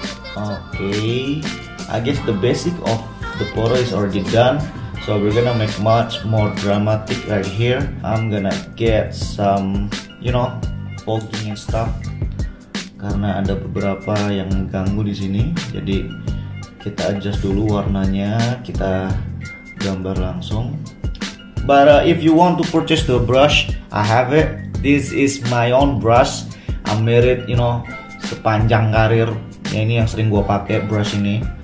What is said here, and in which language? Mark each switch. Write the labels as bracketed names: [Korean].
[English] Okay, I guess the basic of the photo is already done. So we're gonna make much more dramatic right here. I'm gonna get some, you know, poking and stuff. [Indonesian] Karena ada beberapa yang ganggu di sini. Jadi kita adjust dulu warnanya. Kita gambar langsung. [English] But if you want to purchase the brush, I have it. This is my own brush. I made it, you know, [Indonesian] sepanjang karir. Ya, ini yang sering gua pakai brush ini.